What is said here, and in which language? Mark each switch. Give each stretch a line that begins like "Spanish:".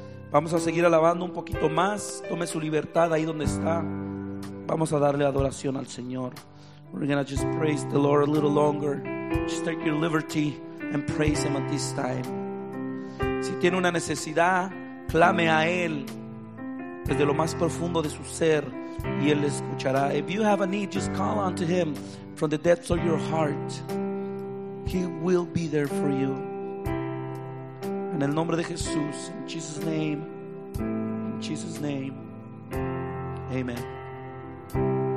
Spanish: Vamos a seguir alabando un poquito más. Tome su libertad ahí donde está. Vamos a darle adoración al Señor.
English: We're going to just praise the Lord a little longer. Just take your liberty and praise Him at this time.
Spanish: Si tiene una necesidad, clame a Él desde lo más profundo de su ser y Él le escuchará.
English: If you have a need, just call unto Him from the depths of your heart. He will be there for you.
Spanish: En el nombre de Jesús,
English: in Jesus' name, amen.